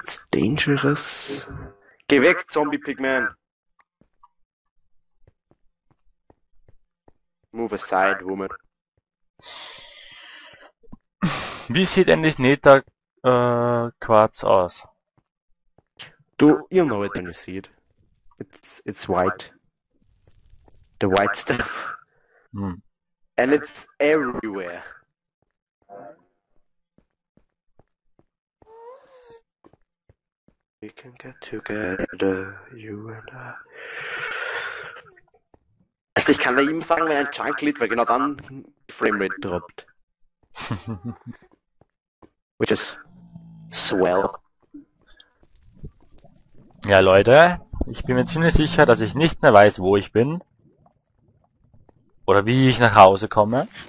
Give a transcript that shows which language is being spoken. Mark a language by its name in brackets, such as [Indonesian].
[English] Dangerous. [German] Geh weg, Zombie-Pigman. [English] Move aside, woman. [German] Wie sieht endlich Neta Quarz aus? Du, [English] you'll know it when you see it. It's white. The white stuff. And it's everywhere. We can get together, you and I. [German] Also ich kann da ihm sagen, wenn ein Chunk lädt, weil genau dann Framerate droppt. [English] Which is swell. [German] Ja, Leute, ich bin mir ziemlich sicher, dass ich nicht mehr weiß, wo ich bin oder wie ich nach Hause komme.